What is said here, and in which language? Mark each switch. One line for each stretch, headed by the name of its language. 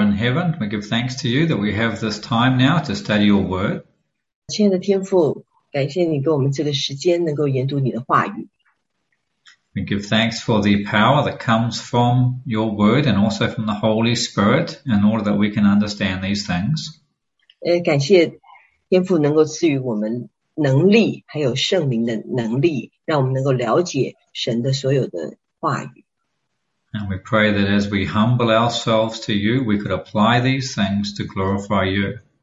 English: in heaven, we give thanks to you that we have this time now to study your word.
Chinese: 亲爱的天父。
English: We give thanks for the power that comes from your word and also from the Holy Spirit in order that we can understand these things.
Chinese: 感谢天父能够赐予我们能力，还有圣灵的能力，让我们能够了解神的所有的话语。
English: And we pray that as we humble ourselves to you, we could apply these things to glorify you.